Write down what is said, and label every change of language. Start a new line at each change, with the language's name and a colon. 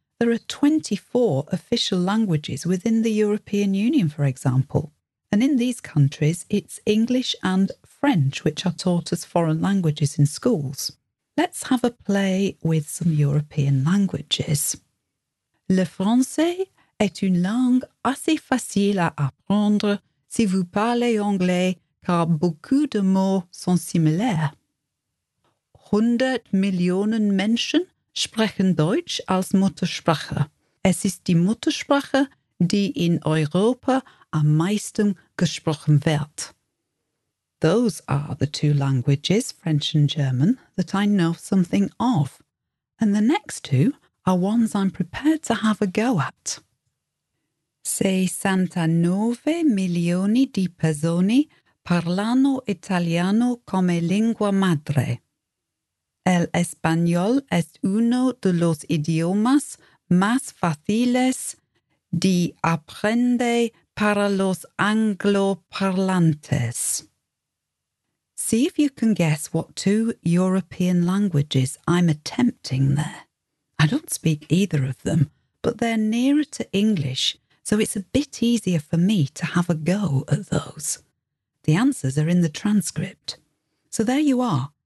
English: There are 24 official languages within the European Union, for example. And in these countries, it's English and French which are taught as foreign languages in schools. Let's have a play with some European languages.
French: Le français est une langue assez facile à apprendre si vous parlez anglais, car beaucoup de mots sont similaires.
German: 100 Millionen Menschen sprechen Deutsch als Muttersprache. Es ist die Muttersprache, die in Europa am meisten gesprochen wird.
English: Those are the two languages, French and German, that I know something of. And the next two, a are ones I'm prepared to have a go at.
Italian: 69 milioni di persone parlano italiano come lingua madre.
Spanish: El español es uno de los idiomas más fáciles de aprender para los angloparlantes.
English: See if you can guess what two European languages I'm attempting there. I don't speak either of them, but they're nearer to English, so it's a bit easier for me to have a go at those. The answers are in the transcript. So there you are.